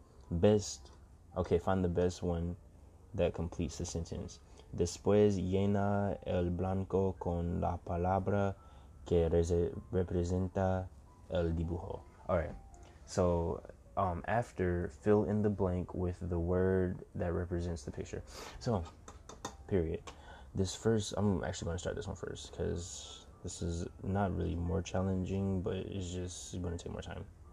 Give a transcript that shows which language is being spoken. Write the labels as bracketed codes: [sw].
[en] Find the best one that completes the sentence. [es] Después llena el blanco con la palabra que representa el dibujo. [en] All right. So, after, fill in the blank with the word that represents the picture. So, period. I'm actually going to start this one first because this is not really more challenging, but it's just going to take more time.